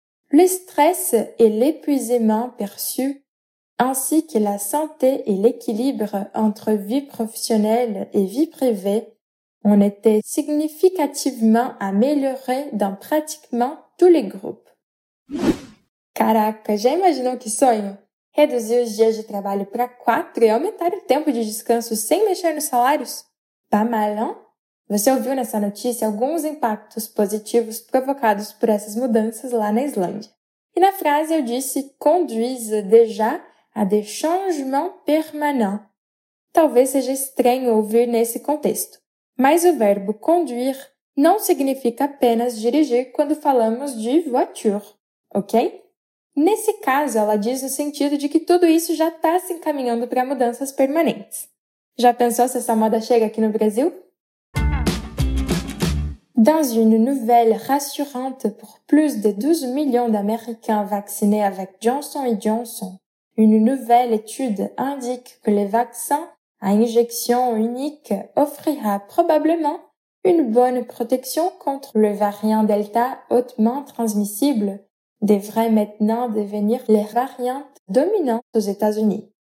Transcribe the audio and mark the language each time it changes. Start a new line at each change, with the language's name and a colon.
French: Le stress et l'épuisement perçus, ainsi que la santé et l'équilibre entre vie professionnelle et vie privée, ont été significativement améliorés dans pratiquement tous les groupes.
Portuguese: Caraca, já imaginou que sonho? Reduzir os dias de trabalho para 4 e aumentar o tempo de descanso sem mexer nos salários?
French: Pas mal, hein?
Portuguese: Você ouviu nessa notícia alguns impactos positivos provocados por essas mudanças lá na Islândia. E na frase eu disse
French: conduise déjà à des changements permanents.
Portuguese: Talvez seja estranho ouvir nesse contexto, mas o verbo conduire não significa apenas dirigir quando falamos de voiture, ok? Nesse caso, ela diz no sentido de que tudo isso já está se encaminhando para mudanças permanentes. Já pensou se essa moda chega aqui no Brasil?
French: Dans une nouvelle rassurante pour plus de 12 millions d'Américains vaccinés avec Johnson & Johnson, une nouvelle étude indique que les vaccins à injection unique offrira probablement une bonne protection contre le variant Delta hautement transmissible, devrait maintenant devenir les variantes dominantes aux États-Unis.